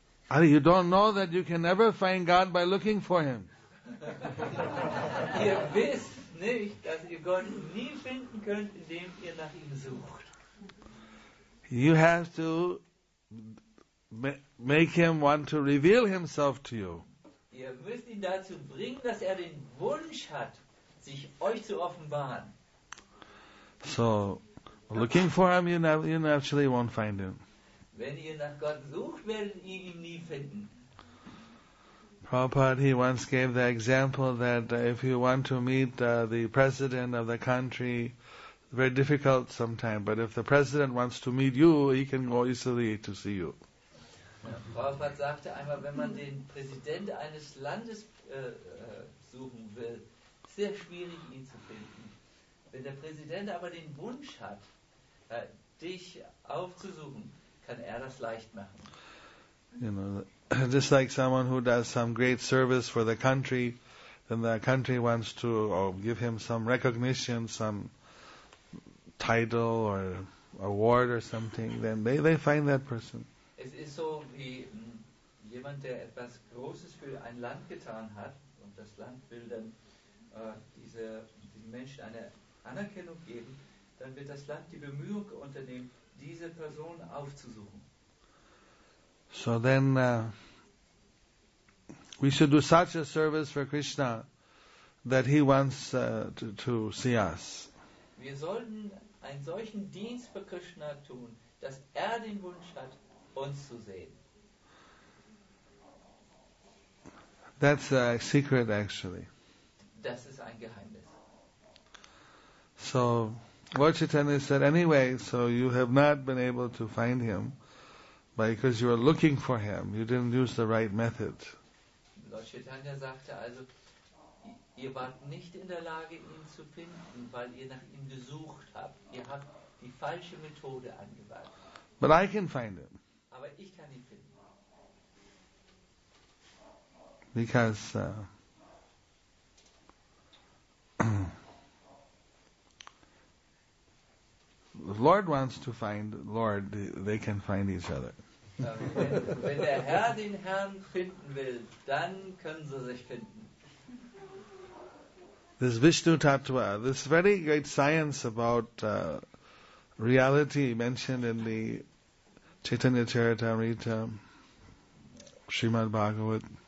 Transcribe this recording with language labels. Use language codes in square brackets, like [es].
[en] Ali, you don't know that you can never find God by looking for him. [de] Ihr wisst nicht, dass ihr Gott nie finden könnt, indem ihr nach ihm sucht. [en] You have to make him want to reveal himself to you. [de] Ihr müsst ihn dazu bringen, dass er den Wunsch hat, sich euch zu offenbaren. [en] So, looking for him, you naturally won't find him. [de] Wenn ihr nach Gott sucht, werdet ihr ihn nie finden. [en] Prabhupada, he once gave the example that if you want to meet the president of the country, very difficult sometime, but if the president wants to meet you, he can go easily to see you. [de] Prabhupada sagte einmal, wenn man den Präsident eines Landes suchen will, sehr schwierig ihn zu finden. Wenn der Präsident aber den Wunsch hat, dich aufzusuchen, kann das leicht machen. [en] You know, just like someone who does some great service for the country, then the country wants to give him some recognition, some title or award or something, then they find that person. [de] Es ist so wie jemand, der etwas Großes für ein Land getan hat, und das Land will dann diesen Menschen eine Anerkennung geben, dann wird das Land die Bemühung unternehmen, diese Person aufzusuchen. [en] So then we should do such a service for Krishna that he wants to see us. [de] Wir sollten einen solchen Dienst für Krishna tun, dass den Wunsch hat, uns zu sehen. [en] That's a secret, actually. [de] Das ist ein Geheimnis. [en] So Lord Chaitanya said, anyway, so you have not been able to find him. Because you were looking for him, you didn't use the right method. [de] Lord Chaitanya sagte also, ihr wart nicht in der Lage, ihn zu finden, weil ihr nach ihm gesucht habt. Ihr habt die falsche Methode angewandt. [en] But I can find him. [de] Aber ich kann ihn finden. [en] Because the Lord wants to find Lord, they can find each other. [de] wenn der Herr den Herrn finden will, dann können sie sich finden. [en] This Vishnu Tattva, this very great science about reality mentioned in the Chaitanya Charitamrita, Srimad Bhagavat.